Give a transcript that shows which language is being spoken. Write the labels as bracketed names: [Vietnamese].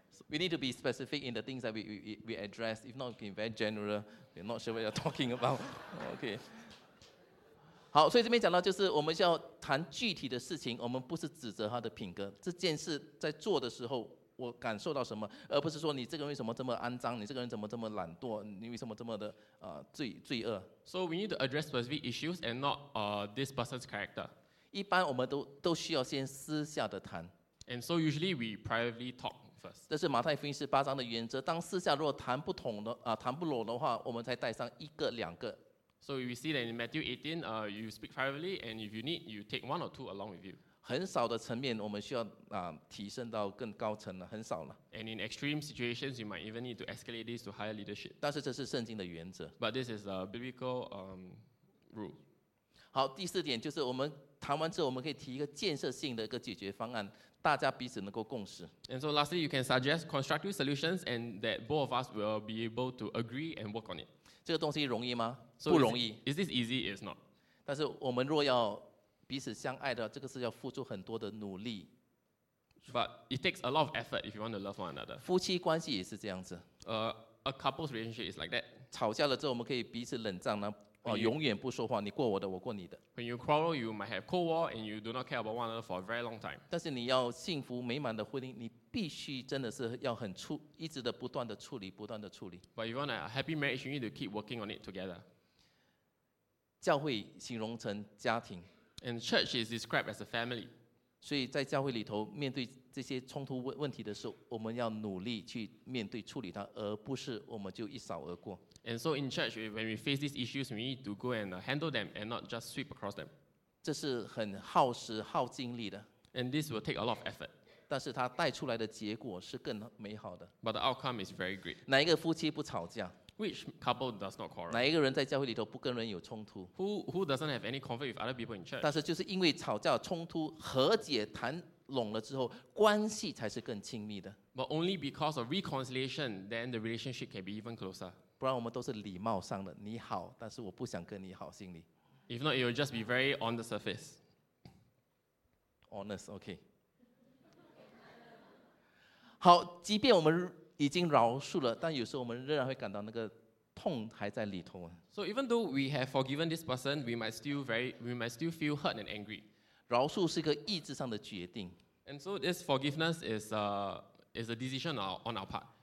[English] We need to be specific in the things that we address. If not, we're very general. We're not sure what you're talking about. Okay. [Chinese] 好，所以这边讲到就是我们要谈具体的事情，我们不是指责他的品格。这件事在做的时候，我感受到什么，而不是说你这个人为什么这么肮脏，你这个人怎么这么懒惰，你为什么这么的罪恶。 [English] So we need to address specific issues and not this person's character. [Chinese] 一般我们都需要先私下的谈。 [English] And so usually we privately talk. [Chinese] 这是马太福音十八章的原则。当私下若谈不通的谈不拢的话，我们才带上一个两个。 [English] So we see that in Matthew 18, you speak privately, and if you need, you take one or two along with you. [Chinese] 很少的层面，我们需要提升到更高层了，很少了。 [English] And in extreme situations, you might even need to escalate this to higher leadership. [Chinese] 但是这是圣经的原则。 [English] But this is a biblical rule. [Chinese] 好，第四点就是我们谈完之后，我们可以提一个建设性的一个解决方案。大家彼此能够共识。 [English] And so lastly, you can suggest constructive solutions and that both of us will be able to agree and work on it. [Chinese] 这个东西容易吗？ [English] So、 [Chinese] 不容易。 [English] Is this easy? It's not. [Chinese] 但是我们若要彼此相爱的，这个是要付出很多的努力。 [English] But it takes a lot of effort if you want to love one another. [Chinese] 夫妻关系也是这样子。 [English] A couple's relationship is like that. [Chinese] 吵架了之后，我们可以彼此冷战呢。永远不说话，你过我的，我过你的。 [English] When you quarrel, you might have cold war, and you do not care about one another for a very long time. [Chinese] 但是你要幸福美满的婚姻，你必须真的是要很一直的不断的处理，不断的处理。 [English] But if you want a happy marriage, you need to keep working on it together. [Chinese] 教会形容成家庭。 [English] And church is described as a family. [Chinese] 所以在教会里头，面对这些冲突问题的时候，我们要努力去面对处理它，而不是我们就一扫而过。 [English] And so in church, when we face these issues, we need to go and handle them and not just sweep across them. [Chinese] 这是很耗时耗精力的。 [English] And this will take a lot of effort. [Chinese] 但是它带出来的结果是更美好的。 [English] But the outcome is very great. [Chinese] 哪一个夫妻不吵架？ [English] Which couple does not quarrel? [Chinese] 哪一个人在教会里头不跟人有冲突？ [English] Who doesn't have any conflict with other people in church? [Chinese] 但是就是因为吵架、冲突、和解、谈拢了之后，关系才是更亲密的。 [English] But only because of reconciliation, then the relationship can be even closer. [Chinese] 不然我们都是礼貌上的，你好，但是我不想跟你好，心里。 [English] If not, it will just be very on the surface. Honest, okay. [Chinese] 好，即便我们已经饶恕了，但有时候我们仍然会感到那个痛还在里头。 [English] So even though we have forgiven this person, we might still feel hurt and angry. [Chinese] 饶恕是一个意志上的决定。 [English] And so this forgiveness is a decision on our part.